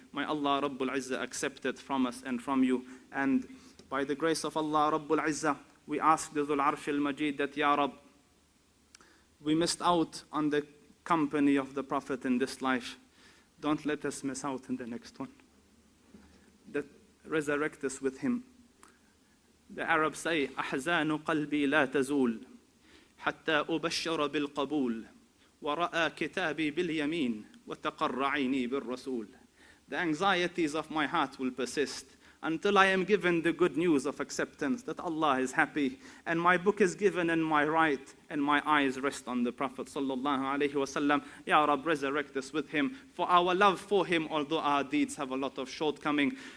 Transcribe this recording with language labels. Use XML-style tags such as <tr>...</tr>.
<en>May Allah Rabbul Izzah accept it from us and from you. And by the grace of Allah Rabbul Izzah, we ask the Dhul Arsh al-Majid that Ya Rab, we missed out on the company of the Prophet in this life. Don't let us miss out in the next one. That resurrect us with him. The Arabs say,</en> <ar>أحزان قلبي لا تزول حتى أبشر بالقبول ورأى كتابي باليمين وتقر عيني بالرسول.</ar> <en>The anxieties of my heart will persist until I am given the good news of acceptance that Allah is happy and my book is given in my right and my eyes rest on the Prophet sallallahu alayhi wa sallam. Ya Rab, resurrect us with him for our love for him, although our deeds have a lot of shortcoming.</en>